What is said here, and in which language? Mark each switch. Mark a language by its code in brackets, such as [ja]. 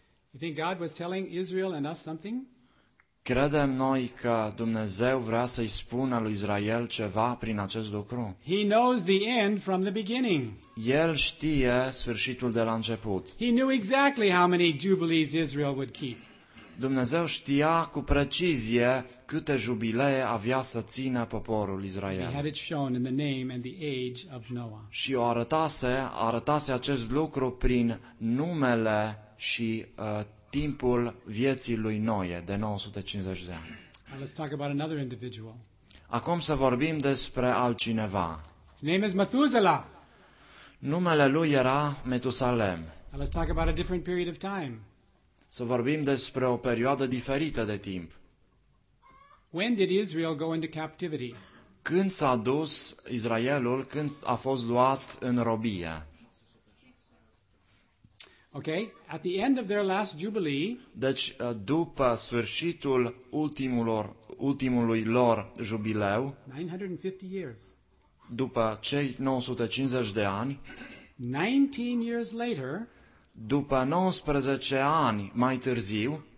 [en] You think God was telling Israel and us something? [ro] Credem noi că Dumnezeu vrea să-i spună lui Israel ceva prin acest lucru? [en] He knows the end from the beginning. [ro] El știe sfârșitul de la început. [en] He knew exactly how many jubilees Israel would keep. [ro] Dumnezeu știa cu precizie câte jubilee avea să țină poporul Israel. [en] He had it shown in the name and the age of Noah. [ro] Și o arătase acest lucru prin numele și timpul vieții lui Noe de 950 de ani. [en] Now let's talk about another individual. [ro] Acum să vorbim despre altcineva. [en] His name is Methuselah. [ro] Numele lui era Metusalem. [en] Now let's talk about a different period of time. [ro] Să vorbim despre o perioadă diferită de timp. [en] When did Israel go into captivity? [ro] Când s-a dus Israelul, când a fost luat în robie? [en] Okay, at the end of their last jubilee. [ro] Deci după sfârșitul ultimului lor jubileu. [en] 950 years. [ro] După cei 950 de ani. [en] 19 years later. [ro] După 19 ani mai târziu.